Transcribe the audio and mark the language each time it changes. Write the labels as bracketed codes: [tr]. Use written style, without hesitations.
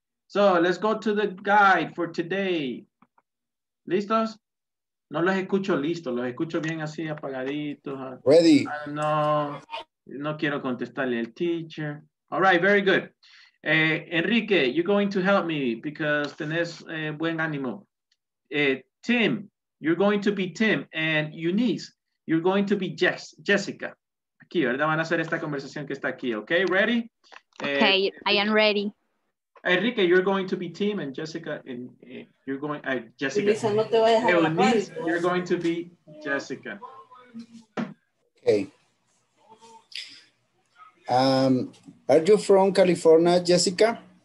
[en] So, let's go to the guide for today. [es] ¿Listos? No los escucho listos, los escucho bien así apagaditos. [en] Ready. [es] No quiero contestarle al teacher. [en] All right, very good. Enrique, you're going to help me because [es] tenés buen ánimo. [en] Tim, you're going to be Tim. And Eunice, you're going to be Jessica. [es] Aquí, ¿verdad? Van a hacer esta conversación que está aquí. [en] Okay, ready? Okay, I am ready. Enrique, you're going to be Tim and Jessica, and you're going, Jessica. [es] Lisa, no te voy a dejar [en] Eunice, [es] la cara. [en] You're going to be Jessica. Okay. Are you from California, Jessica?